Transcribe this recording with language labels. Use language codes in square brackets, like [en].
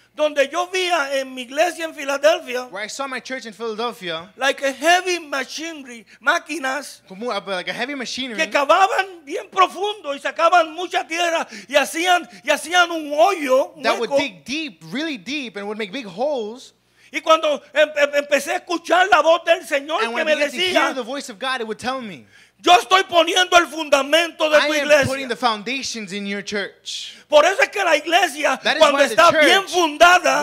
[es] Donde yo vi en mi iglesia en Filadelfia, [en] where I saw my church in Philadelphia, like a heavy machinery, máquinas, like a heavy machinery, [es] que cavaban bien profundo y sacaban mucha tierra y hacían un hoyo, [en] that [es] hueco, [en] would dig deep, really deep, and would make big holes. [es] Y cuando empecé a escuchar la voz del Señor que me decía, [en] and when I began to hear the voice of God, it would tell me, [es] yo estoy poniendo el fundamento de tu iglesia. [en] I am putting the foundations in your church. [es] Por eso es que la iglesia, cuando está bien fundada,